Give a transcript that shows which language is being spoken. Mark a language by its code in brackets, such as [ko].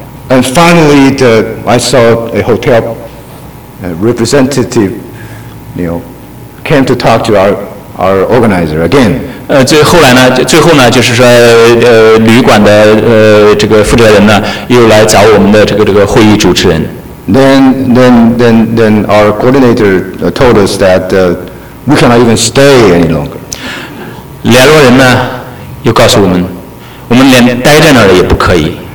[en] And finally, I saw a hotel representative, you know, came to talk to our organizer again. [zh] 最后呢就是说旅馆的这个负责人呢又来找我们的这个会议主持人。 [en] Then our coordinator told us that we cannot even stay any longer. [zh] 联络人呢又告诉我们，我们连待在那儿也不可以。